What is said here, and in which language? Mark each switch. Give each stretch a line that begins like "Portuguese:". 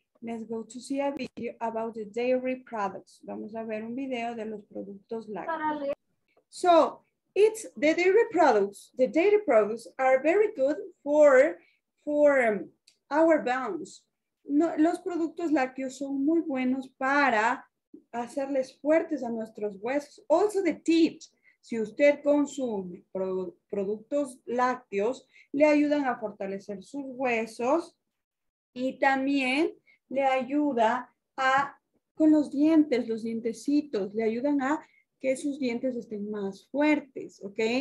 English: Let's go to see a video about the dairy products.
Spanish: Vamos a ver un video de los productos lácteos.
English: So, it's the dairy products. The dairy products are very good for our bones.
Spanish: No, los productos lácteos son muy buenos para hacerles fuertes a nuestros huesos.
English: Also the teeth.
Spanish: Si usted consume productos lácteos, le ayudan a fortalecer sus huesos y también le ayuda a, con los dientes, los dientecitos, le ayudan a que sus dientes estén más fuertes, ¿ok?